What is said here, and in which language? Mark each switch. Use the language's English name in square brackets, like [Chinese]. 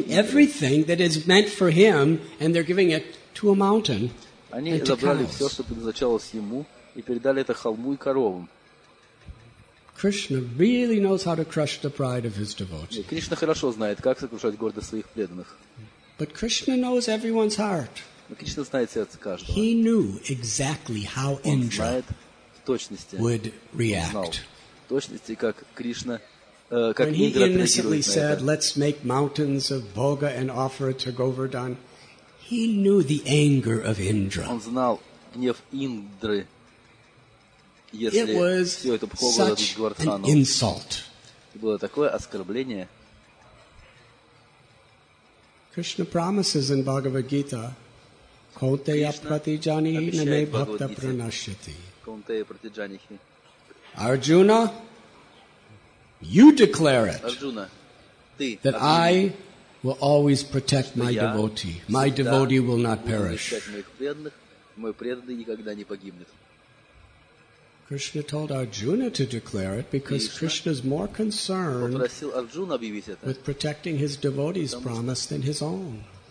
[English] They're taking everything that is meant for him and they're giving it to a mountain. [Russian] Они забрали все, что предназначалось ему, и передали это холму и коровам. [English] Krishna really knows how to crush the pride of his devotees. [Russian] Кришна хорошо знает, как сокрушать гордость своих преданных. [English] But Krishna knows everyone's heart. [Russian] Кришна знает сердце каждого. [English] He knew exactly how Indra would react. [Russian] В точности, как Кришна. [English] When he innocently said, "Let's make mountains of bhoga and offer it to Govardhan," he knew the anger of Indra. [Russian] Он знал гнев Индры. [English] It was such an insult. [Russian] Было такое оскорбление. [English] Krishna promises in Bhagavad Gita, [Sanskrit] "Konte prati janihi na me bhakta pranashyati." Konte prati janihi. [English] Arjuna. You declare it. [Russian] Arjuna, ты, [English] that Arjuna, I will always protect my devotee. My devotee will not perish. [Russian] Мой преданный никогда не погибнет. [English] Krishna told Arjuna to declare it because Krishna is more concerned with protecting his devotee's promise than his own.